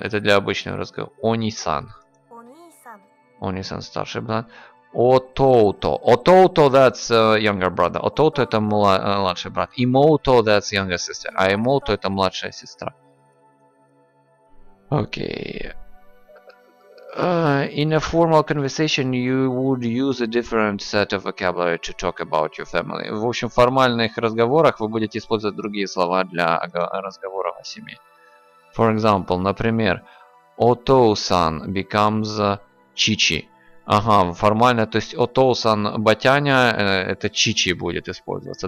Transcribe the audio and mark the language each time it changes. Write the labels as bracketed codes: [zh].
[ru] Это для обычного разговора. Они-сан. Они-сан. Старший брат. [en] Отото. Отото, that's younger brother. [ru] Отото, это младший брат. Имото, [en] that's younger sister. [ru] А имото, это младшая сестра. Окей. [en] In a formal conversation, you would use a different set of vocabulary to talk about your family. [ru] В общем, в формальных разговорах вы будете использовать другие слова для разговора о семье. [en] For example, например, Ото-сан becomes Чичи. [ru] Ага, формально, то есть Ото-сан батяня, это Чичи будет использоваться.